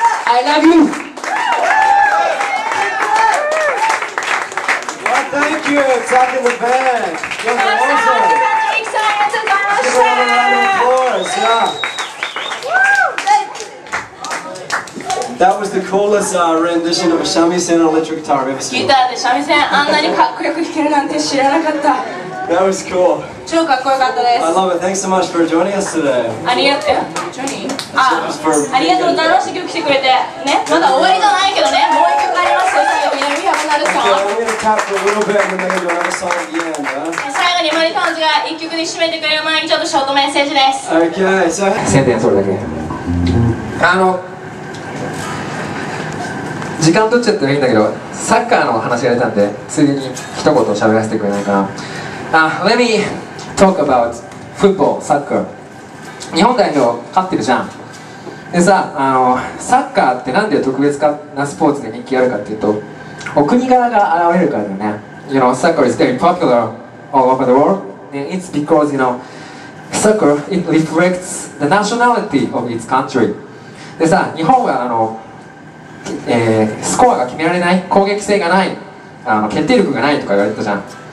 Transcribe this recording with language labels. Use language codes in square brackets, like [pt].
[en] I love you。 Well, thank you, Zach and the band. You're awesome. [ja] ありがとうございました。 [en] That was the coolest rendition of a shamisen electric guitar I've ever seen. [ja] Guitar で三味線あんなにかっこよく弾けるなんて知らなかった。 [en] That was cool. [ja] 超かっこよかったです。 [en] I love it. Thanks so much for joining us today. [ja] ありがとう。ジョニー。ありがとう。楽しく来てくれて。ね。まだ終わりじゃないけどね。もう一曲ありますよ。最後に南浜なるさん。 [en] Okay, we're gonna tap for a little bit and then we'll do another song again, huh? [ja] 最後にマリトンズが一曲に締めてくれる前にちょっとショートメッセージです。 [en] Okay, so. [ja] 宣伝それだけ。時間取っちゃってもいいんだけど、サッカーの話が出たんで、ついでに一言喋らせてくれないかな。 [en] Let me talk about football, サッカー。 [ja] 日本代表勝ってるじゃん。でさ、サッカーってなんで特別なスポーツで人気あるかっていうと、お国柄が現れるからだよね。 [en] You know, soccer is very popular all over the world. And it's because, you know, soccer, it reflects the nationality of its country. [ja] でさ、日本はスコアが決められない、攻撃性がない、決定力がないとか言われたじゃん。